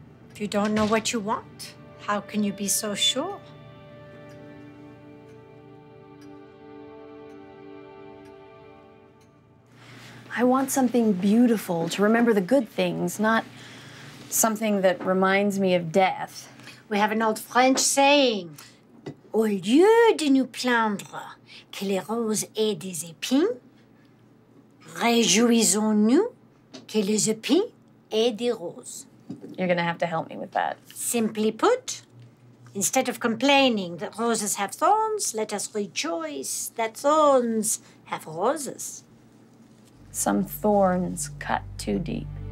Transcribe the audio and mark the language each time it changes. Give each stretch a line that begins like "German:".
English: If you don't know what you want, how can you be so sure? I want something beautiful to remember the good things, not something that reminds me of death. We have an old French saying,
French: au lieu de nous plaindre que les roses aient des épines, réjouissons-nous que les épines aient des roses.
English: You're gonna have to help me with that. Simply put, instead of complaining that roses have thorns, let us rejoice that thorns have roses. Some thorns cut too deep.